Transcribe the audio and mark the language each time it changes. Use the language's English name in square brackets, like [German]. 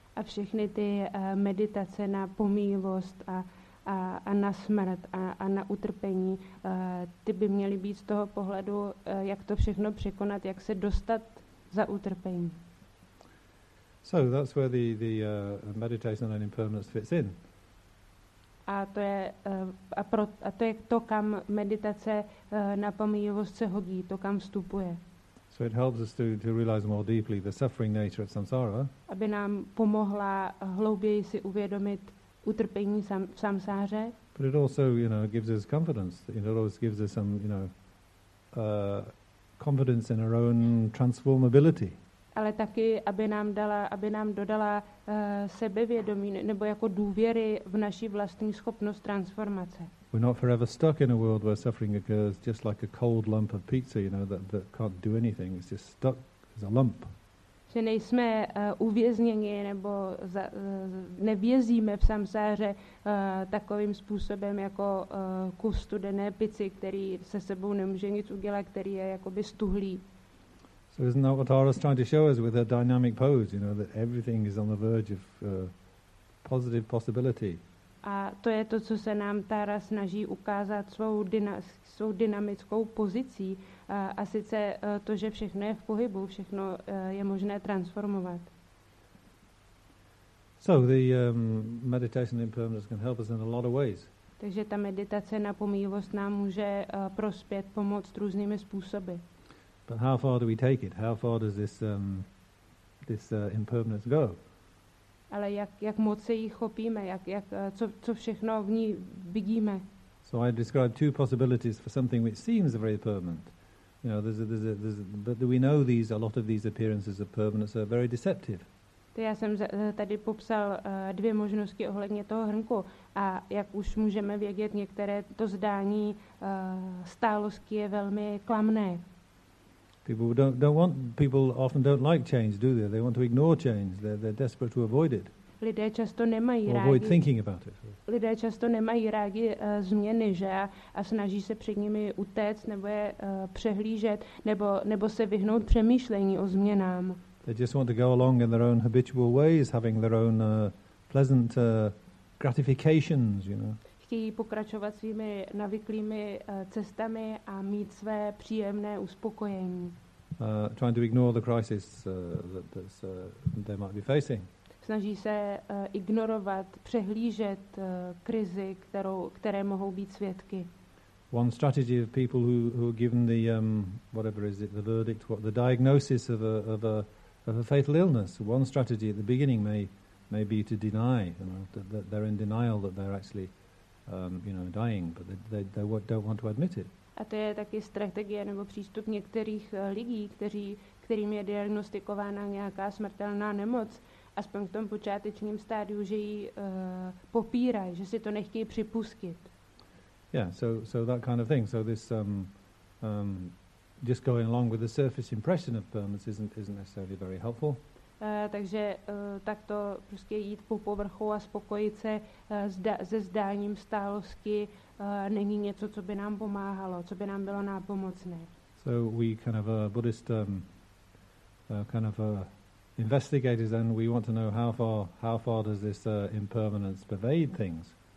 [Czech] A všechny ty meditace na pomílost a na smrt a na utrpení, ty by měly být z toho pohledu, jak to všechno překonat, jak se dostat za utrpení. [English] So that's where the meditation on impermanence fits in. [Czech] A to je to, kam meditace na pomíjivost se hodí, to kam vstupuje. [English] So it helps us to realize more deeply the suffering nature of samsara. [Czech] Aby nám pomohla hlouběji si uvědomit utrpení v samsáře. [English] But it also, gives us confidence. It always gives us some, confidence in our own transformability. [Czech] Ale taky, aby nám dodala sebevědomí nebo jako důvěry v naší vlastní schopnost transformace. [English] We're not forever stuck in a world where suffering occurs just like a cold lump of pizza, that can't do anything. It's just stuck as a lump. [Czech] že nejsme uvězněni nebo nevězíme v samsáře takovým způsobem jako kus studené pici, který se sebou nemůže nic udělat, který je jakoby stuhlý. [English] So isn't that what Tara's trying to show us with her dynamic pose, you know, that everything is on the verge of positive possibility. [Czech] A to je to, co se nám Tara snaží ukázat svou svou dynamickou pozicí, a sice to, že všechno je v pohybu, všechno je možné transformovat. [English] So the meditation impermanence can help us in a lot of ways. [Czech] Takže ta meditace na pomývost nám může prospět, pomoct různými způsoby. [English] But how far do we take it? How far does this impermanence go? [Czech] Ale jak moc se jí chopíme, co všechno v ní vidíme? [English] So I described two possibilities for something which seems very permanent. You know, but do we know these, a lot of these appearances of permanence are very deceptive. [Czech] To já jsem tady popsal dvě možnosti ohledně toho hrnku. A jak už můžeme vědět, některé to zdání stálosti je velmi klamné. [English] People don't want, people often don't like change, do they? They want to ignore change. They're desperate to avoid it. [Czech] Lidé často nemají rádi. [English] Avoid thinking about it. [Czech] Lidé často nemají rádi změny, že? A snaží se před nimi utéct nebo je přehlížet nebo se vyhnout přemýšlení o změnám. [English] They just want to go along in their own habitual ways, having their own pleasant gratifications, you know. [Czech] Chtějí pokračovat svými navyklými cestami a mít své příjemné uspokojení. [English] Trying to ignore the crisis that they might be facing. [Czech] Snaží se ignorovat, přehlížet krizi, které mohou být svědky. [English] One strategy of people who are given the the diagnosis of a fatal illness. One strategy at the beginning may be to deny, you know, that they're in denial that they're actually dying, but they don't want to admit it. [Czech] A to je taky strategie nebo přístup některých lidí, kterým je diagnostikována nějaká smrtelná nemoc, aspoň v tom počátečním stádiu, že ji popírají, že si to nechtějí připustit. [English] Yeah, so that kind of thing. So this just going along with the surface impression of permanence isn't necessarily very helpful. [Czech] Takže takto prostě jít po povrchu a spokojit se se zdáním stálosti není něco, co by nám pomáhalo, co by nám bylo nápomocné. [English] So we kind of a Buddhist kind of investigators, and we want to know how far does this impermanence pervade things.